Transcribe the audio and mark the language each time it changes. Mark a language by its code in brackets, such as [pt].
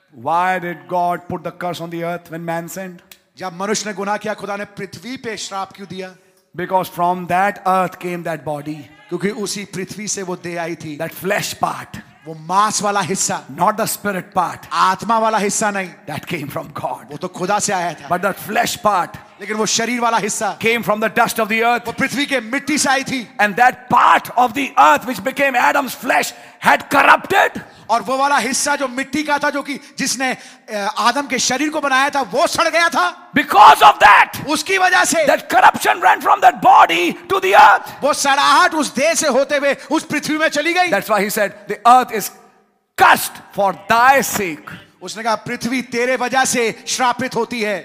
[en] Why did God put the curse on the earth when man sinned? [hi] जब मनुष्य ने गुनाह किया, खुदा ने पृथ्वी पे श्राप क्यों दिया? [en] Because from that earth came that body. [hi] क्योंकि उसी पृथ्वी से वो देह आई थी. [en] That flesh part. [hi] वो मांस वाला हिस्सा. [en] Not the spirit part. [hi] आत्मा वाला हिस्सा नहीं. [en] That came from God. [hi] वो तो खुदा से आया था. [en] But that flesh part. [hi] लेकिन वो शरीर वाला हिस्सा. [en] Came from the dust of the earth. [hi] वो पृथ्वी के मिट्टी से आई थी. [en] And that part of the earth which became Adam's flesh had corrupted. [hi] और वो वाला हिस्सा जो मिट्टी का था, जो कि जिसने आदम के शरीर को बनाया था, वो सड़ गया था. [en] Because of that, [hi] उसकी वजह से, [en] that corruption ran from that body to the earth. [hi] वो सड़ाहट उस देह से होते हुए उस पृथ्वी में चली गई. [en] That's why he said, the earth is cursed for thy sake. [hi] उसने कहा पृथ्वी तेरे वजह से श्रापित होती है.